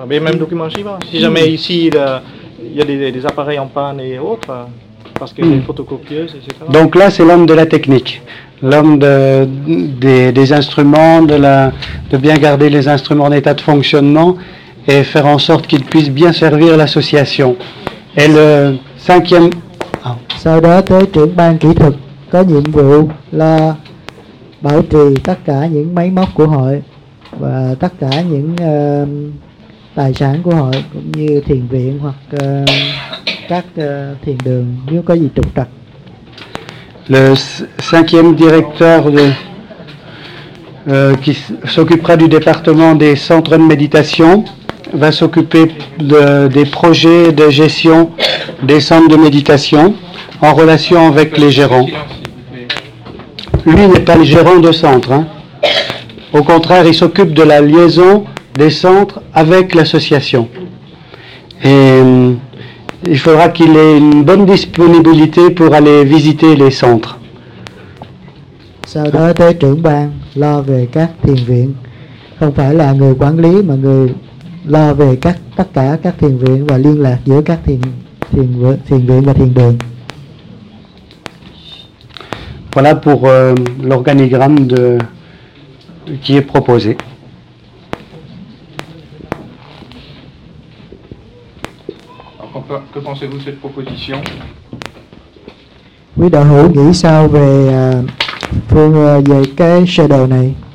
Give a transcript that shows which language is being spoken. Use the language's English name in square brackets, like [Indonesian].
[French] Mais même document archivage. Si jamais ici, il y a des appareils en panne et autres, parce qu'il y a des photocopieuses, etc. Donc là, c'est l'homme de la technique. L'homme des instruments, de bien garder les instruments en état de fonctionnement et faire en sorte qu'ils puissent bien servir l'association. Et le cinquième... [Vietnamese] Sau đó, tới trưởng ban kỹ thuật có nhiệm vụ là bảo trì tất cả những máy móc của hội và tất cả những tài sản của hội cũng như thiền viện hoặc các thiền đường nếu có gì trục trặc. [French] Le cinquième directeur qui s'occupera du département des centres de méditation va s'occuper des projets de gestion des centres de méditation en relation avec les gérants. Lui n'est pas le gérant de centre. Hein. Au contraire, il s'occupe de la liaison des centres avec l'association. Et... il faudra qu'il ait une bonne disponibilité pour aller visiter les centres. [Vietnamese] Sau đó tới trưởng ban lo về các thiền viện, không phải là người quản lý mà người lo về tất cả các thiền viện và liên lạc giữa các thiền viện và thiền đường. [French] Voilà pour l'organigramme qui est proposé. Que pensez-vous de cette proposition? [Vietnamese] Quý đạo hữu nghĩ sao về phương về cái sơ đồ này?